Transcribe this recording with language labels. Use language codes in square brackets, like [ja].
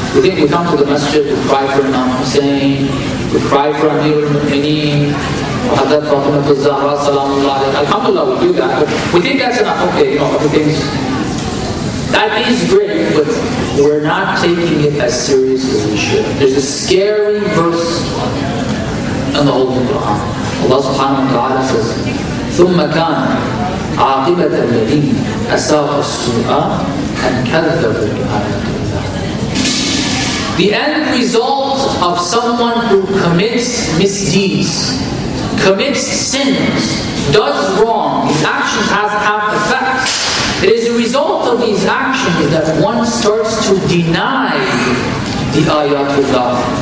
[en] We think we come to the masjid, we cry for Imam Hussein, we cry for Amir al-Mu'mineen, Hazrat Fatima al-Zahra, salamu alayhi. Alhamdulillah, we do that, but we think that's enough. Okay, you know, everything's... That is great, but we're not taking it as serious as we should. There's a scary verse in the Holy Quran. [ar] Allah subhanahu wa ta'ala says, ثُمَّ كَانَ عَاقِبَةَ الَّذِينَ أَسَاءُوا السُّوءَ أَنْ كَذَّبُوا بِآيَاتِ اللَّهِ. [en] The end result of someone who commits misdeeds, commits sins, does wrong, his actions have effects. It is a result of these actions that one starts to deny the Ayatullah.